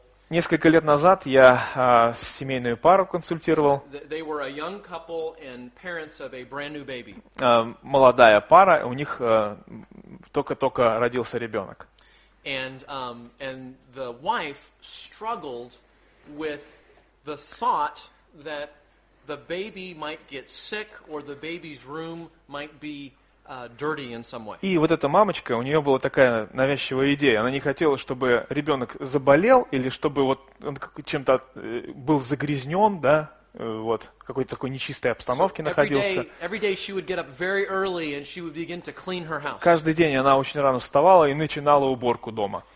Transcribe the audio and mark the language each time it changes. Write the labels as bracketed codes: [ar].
[ru] Несколько лет назад я семейную пару консультировал. [en] They were a young couple and parents of a brand new baby. [ru] Молодая пара, у них только-только родился ребенок. [en] And the wife struggled with the thought that the baby might get sick or the baby's room might be dirty in some way. [ru] И вот эта мамочка, у нее была такая навязчивая идея. Она не хотела, чтобы ребенок заболел или чтобы вот он чем-то был загрязнен, да, вот, в какой-то такой нечистой обстановке находился. Каждый день она очень рано вставала и начинала уборку дома.